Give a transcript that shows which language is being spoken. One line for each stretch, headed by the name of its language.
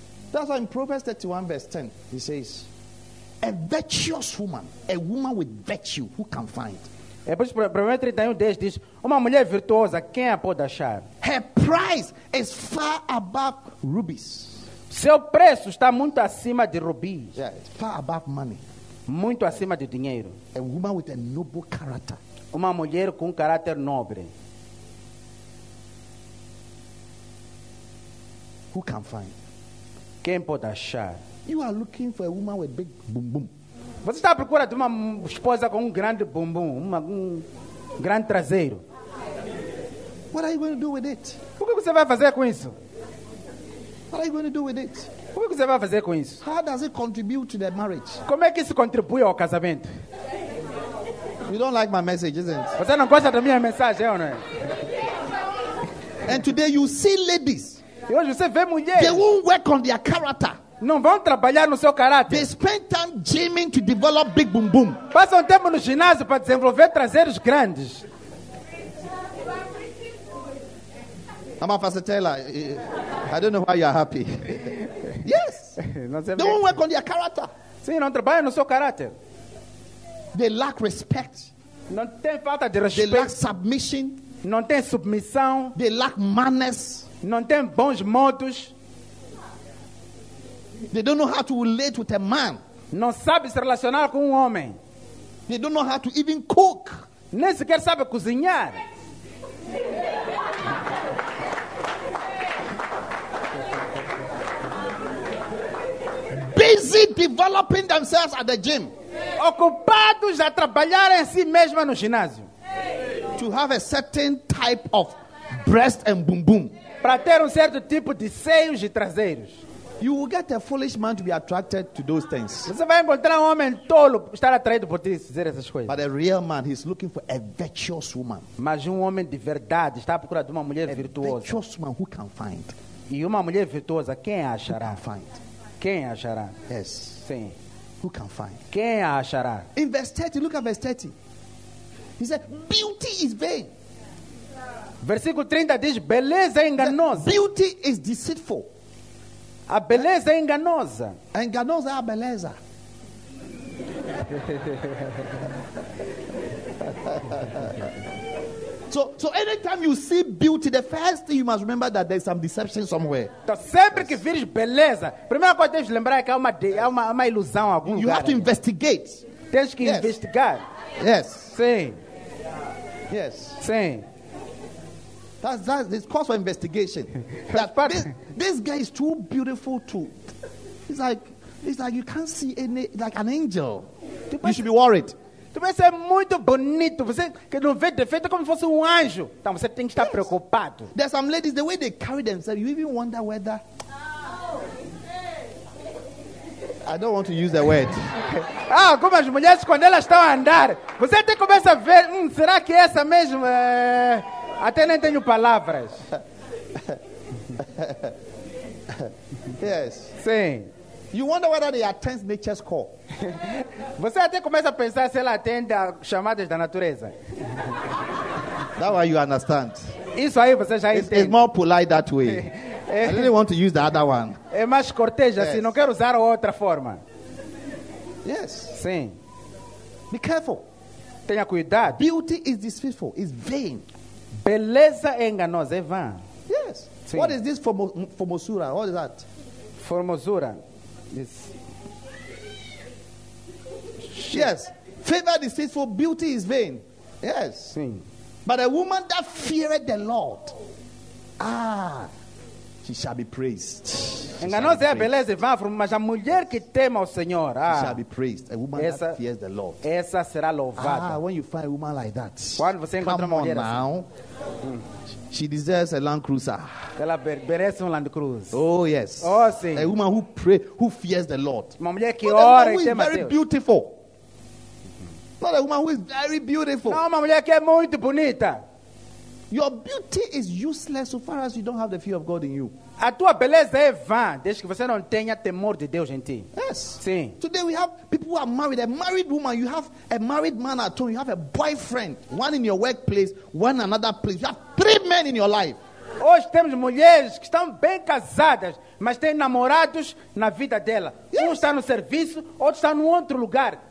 English: That's why in Proverbs 31 verse 10, he says, a virtuous woman, a woman with virtue, who can find?
Portuguese: É por isso que Proverbs 31 10 diz, uma mulher virtuosa, quem a pode achar?
English: Her price is far above rubies.
Portuguese: Seu preço está muito acima de rubis.
English: Yeah, it's far above money.
Portuguese: Muito acima de dinheiro.
English: A woman with a noble character.
Portuguese: Uma mulher com um caráter nobre.
English: Who can find?
Portuguese: Quem pode achar?
English: You are looking for a woman with big boom boom.
Portuguese: Você está à procura de uma esposa com um grande bumbum, um grande traseiro.
English: What are you going to do with it?
Portuguese: O que você vai fazer com isso?
English: What are you going to do with it?
Portuguese: O que você vai fazer com isso?
English: How does it contribute to the marriage?
Portuguese: Como é que isso contribui ao casamento?
English: You don't like my message, isn't it?
Portuguese: Você não gosta da minha mensagem, não é?
English: And today you see ladies.
Portuguese: E hoje você vê mulheres.
English: They won't work on their character.
Portuguese: Não vão trabalhar no seu caráter.
English: They spend time gyming to develop big boom boom.
Portuguese: Passam tempo no ginásio para desenvolver traseiros grandes.
English: I'm a facilitator. I don't know why you're happy. Yes. They won't work on their character.
Portuguese: Sim, não trabalham no seu caráter.
English: They lack respect.
Portuguese: Não tem falta de respeito.
English: They lack submission.
Portuguese: Não tem submissão.
English: They lack manners.
Portuguese: Não tem bons modos.
English: They don't know how to relate with a man.
Portuguese: Não sabe se relacionar com homem.
English: They don't know how to even cook.
Portuguese: Nem sequer sabe cozinhar.
English: Busy developing themselves at the gym.
Portuguese: Ocupados a trabalhar em si mesmo no ginásio.
English: To have a certain type of breast and boom boom.
Portuguese: Para ter certo tipo de seios e traseiros.
English: You will get a foolish man to be attracted to those things.
Portuguese: Você vai encontrar homem tolo estar atraído por dizer essas coisas.
English: But a real man, he's looking for a virtuous woman.
Portuguese: Mas homem de verdade está procurando uma mulher virtuosa.
English: A virtuous woman who can find.
Portuguese: E uma mulher virtuosa quem achará?
English: Who can find.
Portuguese: Quem achará?
English: Yes.
Portuguese: Sim.
English: Who can find?
Portuguese: Quem a achará?
English: In verse 30, look at verse 30. He said, beauty is vain.
Portuguese: Versículo 30 diz, beleza é enganosa. The
English: beauty is deceitful.
Portuguese: A beleza é enganosa. A enganosa é a beleza.
English: So anytime you see beauty, the first thing you must remember that there's some deception somewhere.
Portuguese: Então, sempre que vires beleza, primeira coisa que tens de lembrar é que há uma ilusão em algum
English: you
Portuguese: lugar.
English: Have to investigate.
Portuguese: Tens que investigar.
English: Yes.
Portuguese: Sim.
English: Yes.
Portuguese: Sim.
English: That's this cause for investigation. But this guy is too beautiful too. It's like you can't see any like an angel. You should be worried.
Portuguese: Tu vai ser muito bonito. Você que não vê defeito como se fosse anjo. Então você tem que estar preocupado.
English: There are some ladies, the way they carry themselves, you even wonder whether. I don't want to use the word.
Portuguese: Ah, como as mulheres quando elas estão a andar, você até começa a ver, será que é essa mesmo? Até nem tenho palavras.
English: Yes.
Portuguese: Sim.
English: You wonder whether they attend nature's call.
Portuguese: Você até começa a pensar se ela atende a chamadas da natureza.
English: That way you understand.
Portuguese: Isso aí você já entende.
English: It's more polite that way. I really want to use the other one.
Portuguese: É mais cortês assim, não quero usar outra forma.
English: Yes.
Portuguese: Sim.
English: Be careful.
Portuguese: Tenha cuidado.
English: Beauty is deceitful, it's vain.
Portuguese: Beleza é enganosa, é vã.
English: Yes. Sim. What is this formosura? What is that?
Portuguese: Formosura. Yes.
English: Yes. Favor deceitful, beauty is vain. Yes.
Portuguese: Sim.
English: But a woman that feared the Lord, she shall be praised.
Portuguese: Enganosa é a beleza, vá, mas a mulher que teme ao Senhor,
English: she shall be praised. A woman essa, that fears the Lord,
Portuguese: essa será louvada.
English: Ah, when you find a woman like that,
Portuguese: quando você encontra uma mulher
English: now, she deserves a Land Cruiser.
Portuguese: Ela merece Land Cruiser.
English: Oh yes.
Portuguese: Oh sim.
English: A woman who fears the Lord.
Portuguese: Uma mulher que ora e teme a Deus.
English: Very beautiful. Not a woman who is very beautiful.
Portuguese: Não, uma mulher que é muito bonita.
English: Your beauty is useless so far as you don't have the fear of God in you.
Portuguese: A tua beleza é vã, desde que você não tenha temor de Deus em ti.
English: Yes.
Portuguese: Sim.
English: Today we have people who are married. A married woman, you have a married man at home. You have a boyfriend. One in your workplace, one another place. You have three men in your life.
Portuguese: Hoje temos mulheres que estão bem casadas, mas têm namorados na vida dela.
English: Yes.
Portuguese: Um está no serviço, outro está no outro lugar.